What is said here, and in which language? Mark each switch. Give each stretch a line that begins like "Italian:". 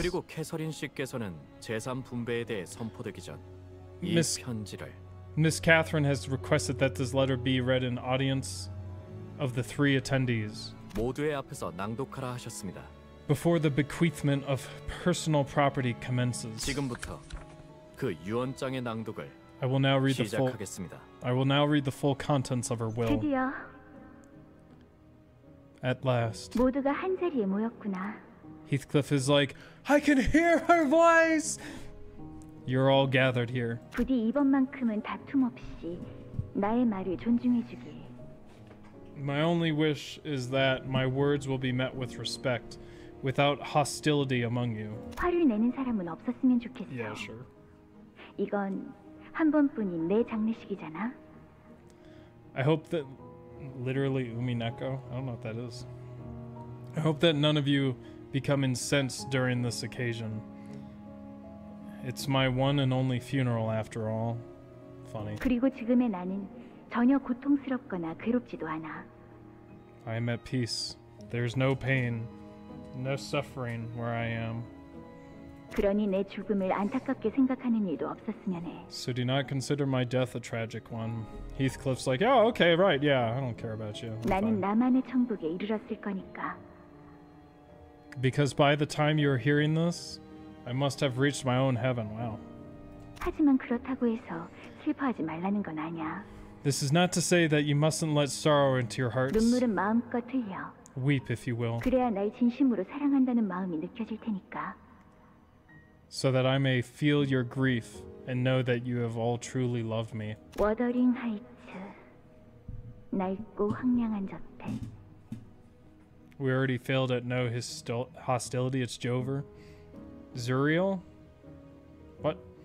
Korean: 그리고 캐서린 씨께서는 재산 분배에 대해 선포되기 전 이 편지를.
English: Miss Catherine has requested that this letter be read in audience of the three attendees.
Korean: 모두의 앞에서 낭독하라 하셨습니다.
English: Before the bequeathment of personal property commences.
Korean: 지금부터 그 유언장의 낭독을
English: I will now read
Korean: 시작하겠습니다.
English: The full. I will now read the full contents of her will.
Korean: 드디어.
English: At last.
Korean: 모두가 한 자리에 모였구나.
English: Heathcliff is like, I can hear her voice! You're all gathered here.
Korean: 부디 이번만큼은 다툼 없이 나의 말을 존중해 주길.
English: My only wish is that my words will be met with respect, without hostility among you.
Korean: 화를 내는 사람은 없었으면 좋겠어.
English: Yeah, sure.
Korean: 이건 한 번뿐인 내 장례식이잖아.
English: I hope that... Literally, Umineko? I don't know what that is. I hope that none of you become incensed during this occasion. It's my one and only funeral, after all. Funny.
Korean: 그리고 지금의 나는 전혀 고통스럽거나 괴롭지도 않아.
English: I am at peace. There's no pain, no suffering where I am.
Korean: 그러니 내 죽음을 안타깝게 생각하는 일도 없었으면 해.
English: So do not consider my death a tragic one. Heathcliff's like, oh, okay, right, yeah, I don't care about you.
Korean: 나는 나만의 천국에 이르렀을 거니까.
English: Because by the time you're hearing this, I must have reached my own heaven, wow.
Korean: 하지만 그렇다고 해서 슬퍼하지 말라는 건 아니야.
English: This is not to say that you mustn't let sorrow into your hearts.
Korean: 눈물은 마음껏 흘려.
English: Weep, if you will.
Korean: 그래야 날 진심으로 사랑한다는 마음이 느껴질 테니까.
English: So that I may feel your grief and know that you have all truly loved me.
Korean: Wuthering Heights. 낡고 황량한 저택.
English: We already failed at no hostility. It's Jover. Zuriel? What?